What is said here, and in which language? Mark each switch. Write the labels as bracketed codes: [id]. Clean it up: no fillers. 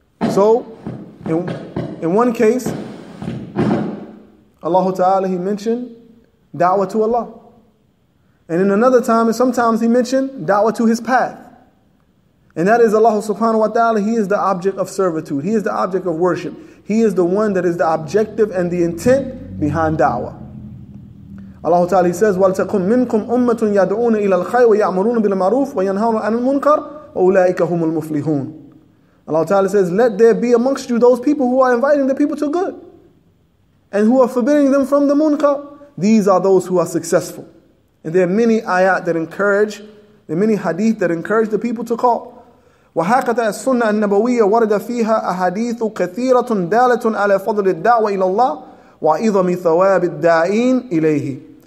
[en] So, in one case, Allah Ta'ala, He mentioned da'wah to Allah. And in another time, and sometimes He mentioned da'wah to His path. And that is Allah Subhanahu wa Ta'ala, He is the object of servitude. He is the object of worship. He is the one that is the objective and the intent behind da'wah. Allah Ta'ala, He says, [ar] وَلْتَقُمْ مِنْكُمْ أُمَّةٌ يَدْعُونَ إِلَى الْخَيْرِ وَيَعْمُرُونَ بِالْمَعْرُوفِ وَيَنْهَوْنَ عَنِ الْمُنْكَرِ وَأُولَٰئِكَ هُمُ الْمُفْلِحُونَ. [en] Allah Ta'ala says, let there be amongst you those people who are inviting the people to good and who are forbidding them from the munkar. These are those who are successful. And there are many ayat that encourage, there are many hadith that encourage the people to call. [ar] وَحَاقَتَ السُّنَّةَ النَّبَوِيَّةَ وَرَدَ فِيهَا أَحَادِيثُ كَثِيرَةٌ دَالَةٌ عَلَى فَضْلِ الدَّعْوَةِ إِلَى اللَّهِ وَعِظَمِ ثَوَابِ الدَّاعِينَ إِلَيْهِ.